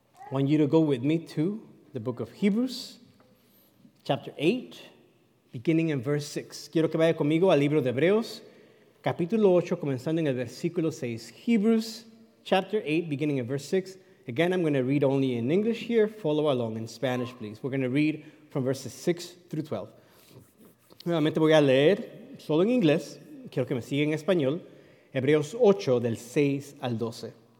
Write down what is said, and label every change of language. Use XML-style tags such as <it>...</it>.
<en>I want you to go with me to the book of Hebrews, chapter 8, Beginning in verse 6.</en> <es>Quiero que vaya conmigo al libro de Hebreos, capítulo 8, comenzando en el versículo 6.</es> <en>Hebrews, chapter 8, beginning in verse 6. Again, I'm going to read only in English here. Follow along in Spanish, please. We're going to read from verses 6 through 12.</en> <es>Nuevamente voy a leer solo en inglés. Quiero que me siga en español. Hebreos 8, del 6 al 12.</es>